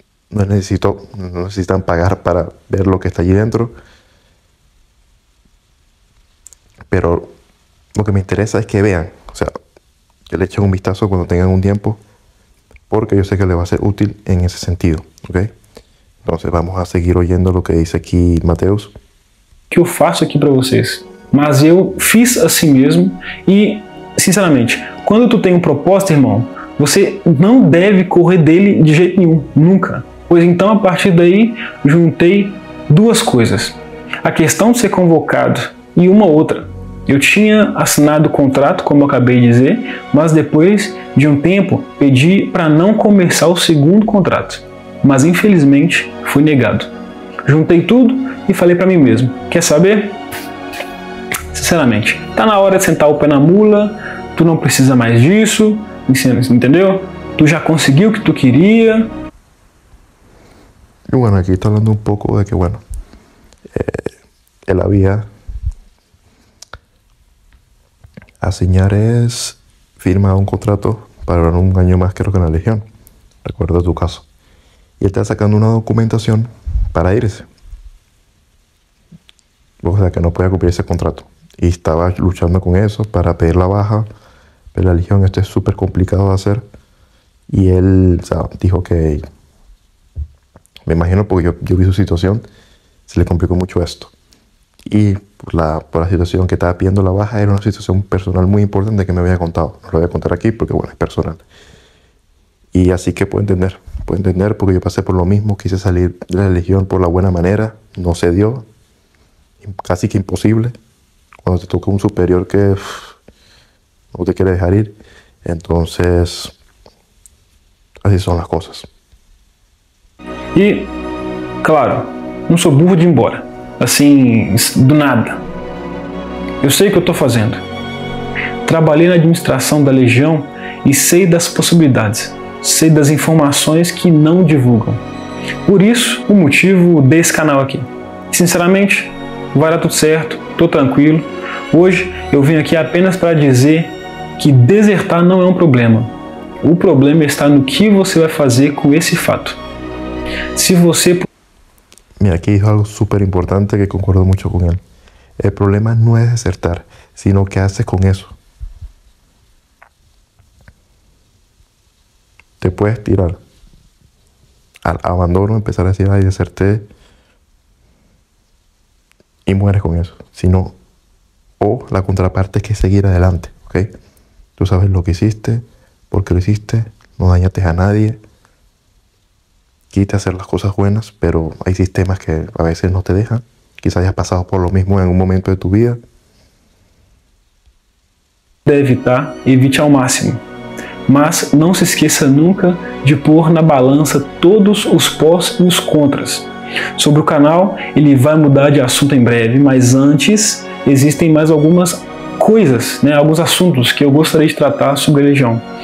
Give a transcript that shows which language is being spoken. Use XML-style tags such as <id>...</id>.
<es>No necesitan pagar para ver lo que está allí dentro. Pero lo que me interesa es que vean. O sea, que le echen un vistazo cuando tengan un tiempo, porque yo sé que le va a ser útil en ese sentido, ¿okay? Entonces vamos a seguir oyendo lo que dice aqui Mateus.</es> <pt>Que eu faço aqui para vocês, mas eu fiz assim mesmo e, sinceramente, quando tu tem um propósito, irmão, você não deve correr dele de jeito nenhum, nunca. Pois então, a partir daí, juntei duas coisas: a questão de ser convocado e uma outra. Eu tinha assinado o contrato, como eu acabei de dizer, mas depois de um tempo pedi para não começar o segundo contrato, mas infelizmente fui negado. Juntei tudo e falei para mim mesmo: quer saber? Sinceramente, tá na hora de sentar o pé na mula, tu não precisa mais disso, entendeu? Tu já conseguiu o que tu queria?</pt> <es>Y bueno, aquí está hablando un poco de que, bueno, él había asignar es firmar un contrato para un año más, creo que en la Legión. Recuerdo tu caso. Y él está sacando una documentación para irse. O sea, que no podía cumplir ese contrato. Y estaba luchando con eso para pedir la baja. Pero la Legión, esto es súper complicado de hacer. Y él, o sea, dijo que... Me imagino, porque yo vi su situación, se le complicó mucho esto. Y por la situación que estaba pidiendo la baja, era una situación personal muy importante que me había contado. No lo voy a contar aquí porque, bueno, es personal. Y así que puedo entender porque yo pasé por lo mismo. Quise salir de la Legión por la buena manera, no se dio, casi que imposible. Cuando te toca un superior que no te quiere dejar ir, entonces así son las cosas.</es> <pt>E, claro, não sou burro de ir embora, assim, do nada. Eu sei o que eu estou fazendo. Trabalhei na administração da Legião e sei das possibilidades, sei das informações que não divulgam. Por isso, o motivo desse canal aqui. Sinceramente, vai dar tudo certo, estou tranquilo. Hoje, eu vim aqui apenas para dizer que desertar não é um problema. O problema está no que você vai fazer com esse fato. Si você...</pt> <es>Mira, aquí dijo algo súper importante que concuerdo mucho con él. El problema no es desertar, sino qué haces con eso. Te puedes tirar al abandono, empezar a decir, ay, deserté, y mueres con eso. Sino, o la contraparte es que seguir adelante, ¿ok? Tú sabes lo que hiciste, por qué lo hiciste, no dañaste a nadie. Quita hacer las cosas buenas, pero hay sistemas que a veces no te dejan. Quizás hayas pasado por lo mismo en algún momento de tu vida. Debe evitar, evite al máximo.</es> <pt>Mas no se esqueça nunca de pôr na balança todos os pós e os contras. Sobre o canal, ele vai mudar de assunto em breve, mas antes existem mais algumas coisas, né, alguns assuntos que eu gostaria de tratar sobre a Legião.</pt>